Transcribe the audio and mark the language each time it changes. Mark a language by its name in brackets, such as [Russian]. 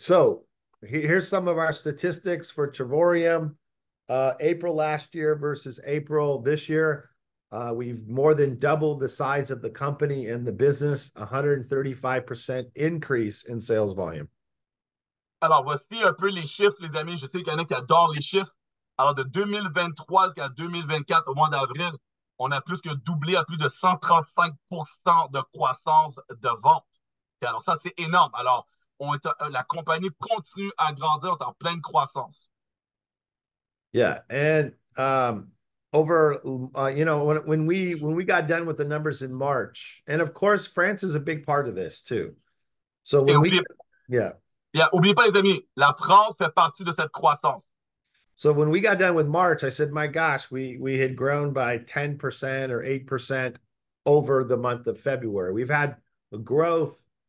[English] So here's some of our statistics for Travorium. April last year versus April this year. We've more than doubled the size of the company and the business, 135% increase in sales volume. [French] Alors, voici un peu les chiffres, les amis. Je sais qu'il y en a qui adorent les chiffres. Alors, de 2023 jusqu'à 2024, au mois d'avril, on a plus que doublé à plus de 135% de croissance de vente. Et alors, ça, c'est énorme. Alors, la compagnie continue à grandir, on est en pleine croissance. [English] Yeah, and when we got done with the numbers in March, and of course, France is a big part of this too. So when [French] Oubliez pas les amis, la France fait partie de cette croissance. [English] So when we got done with March, I said, my gosh, we had grown by 10% or 8% over the month of February. We've had growth